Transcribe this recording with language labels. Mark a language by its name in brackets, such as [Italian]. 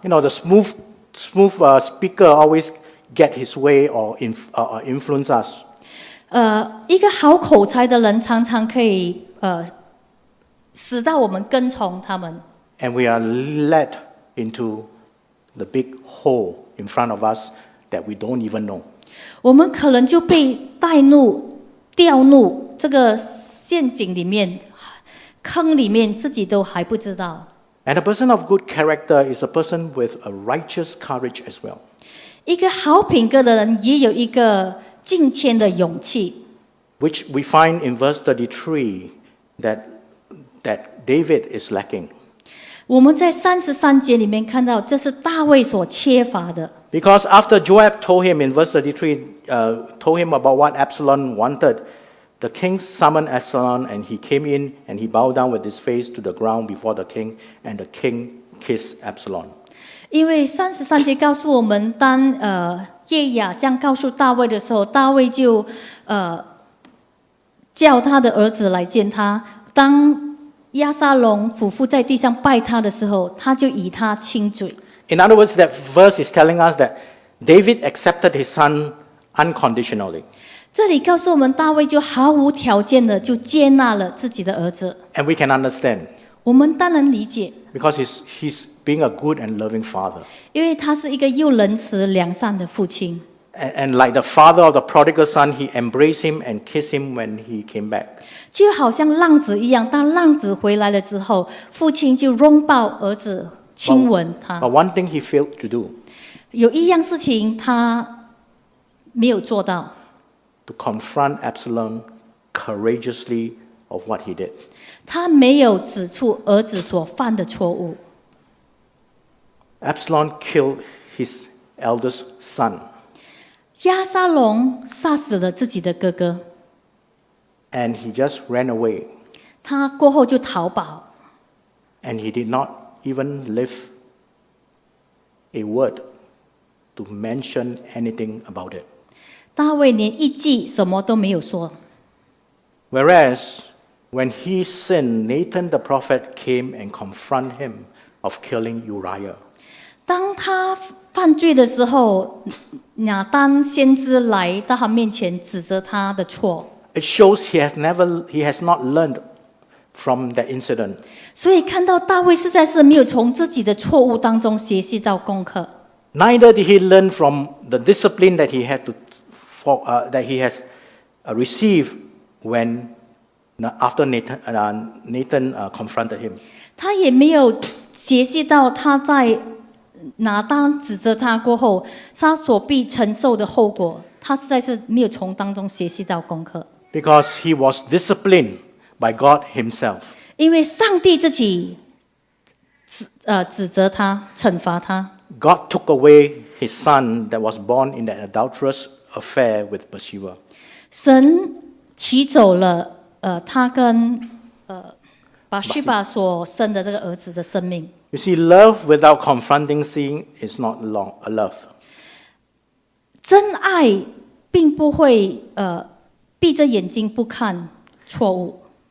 [English] You know, the smooth speaker always get his way or influence us. [Chinese] 一个好口才的人常常可以使到我们跟从他们。 [English] And we are led into the big hole in front of us that we don't even know. [Chinese] 我们可能就被带入掉入这个陷阱里面，坑里面，自己都还不知道。 [English] And a person of good character is a person with a righteous courage as well. [Chinese] 一个好品格的人也有一个敬虔的勇气。 [English] Which we find in verse 33 that David is lacking. [Chinese] 我们在33节里面看到，这是大卫所缺乏的。 [English] Because after Joab told him in verse 33, told him about what Absalom wanted, the king summoned Absalom and he came in and he bowed down with his face to the ground before the king and the king kissed Absalom. [Chinese] 因为33节告诉我们，当耶雅这样告诉大卫的时候，大卫就叫他的儿子来见他。当亚撒龙俯伏在地上拜他的时候，他就以他亲嘴。 [English] In other words, that verse is telling us that David accepted his son unconditionally. [Chinese] 这里告诉我们，大卫就毫无条件的就接纳了自己的儿子。 [English] And we can understand. [Chinese] 我们当然理解。 [English] Because he's being a good and loving father. [Chinese] 因为他是一个又仁慈良善的父亲。 [English] And like the father of the prodigal son, he embraced him and kissed him when he came back. [Chinese] 就好像浪子一样，当浪子回来了之后，父亲就拥抱儿子。亲吻他。 [English] But one thing he failed to do. [Chinese] 有一样事情他没有做到。 [English] To confront Absalom courageously of what he did. [Chinese] 他没有指出儿子所犯的错误。 [English] Absalom killed his eldest son. [Chinese] 亚撒龙杀死了自己的哥哥。 [English] And he just ran away. [Chinese] 他过后就逃跑。 [English] And he did not even lift a word to mention anything about it. [Chinese] 大卫连一句什么都没有说。 [English] Whereas, when he sinned, Nathan the prophet came and confronted him of killing Uriah. [Chinese] 当他犯罪的时候，亚当先知来到他面前指责他的错。 [English] It shows he has not learned. From that incident. [Chinese] 所以看到大卫实在是没有从自己的错误当中学习到功课。 [English] Neither did he learn from the discipline that he had to for, that he has received when after Nathan confronted him. [Chinese] 他也没有学习到他在拿单指责他过后，他所必承受的后果。他实在是没有从当中学习到功课。 [English] Because he was disciplined. By God Himself. [Chinese] 因为上帝自己指责他，惩罚他。 [English] God took away His son that was born in that adulterous affair with Bathsheba. [Chinese] 神取走了他跟Bathsheba所生的这个儿子的生命。 [English] You see, love without confronting sin is not love. [Chinese] 真爱并不会闭着眼睛不看错误。